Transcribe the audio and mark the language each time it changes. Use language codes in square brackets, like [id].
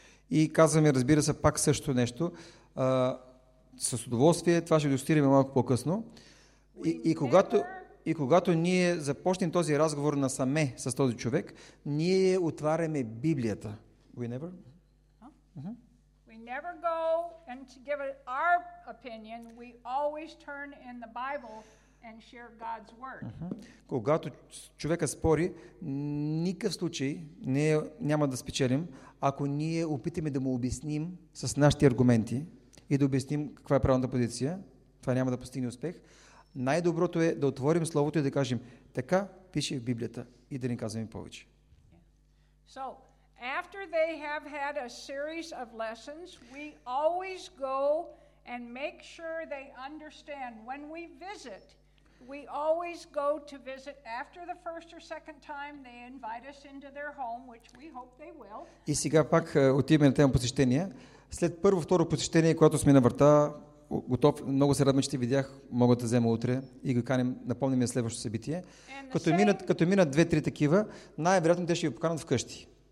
[bg] И казваме, разбира се, пак същото нещо. С удоволствие, това ще дискутираме малко по-късно. И когато ние започнем този разговор насаме с този човек, ние отваряме Библията. [en] We never? We never go and give our opinion. We always turn in the Bible and share God's word. [bg] Когато човека спори, никакъв случай няма да спечелим, ако ние опитаме да му обясним с нашите аргументи и да обясним каква е правилната позиция, това няма да постигне успех. Най-доброто е да отворим Словото и да кажем, така пише в Библията и да ни казваме повече. [en] So, after they have had a series of lessons, we always go and make sure they understand. When we visit, we always go to visit after the first or second time they invite us into their home, which we hope they will. [bg] И сега пак отиваме на тема посещения. След първо-второ посещение, когато сме на врата, готов, много се радвам, че ти видях, мога да взема утре и го каним, напомним я следващото събитие. Като минат 2-3 такива, най-вероятно те ще ги поканат вкъщи.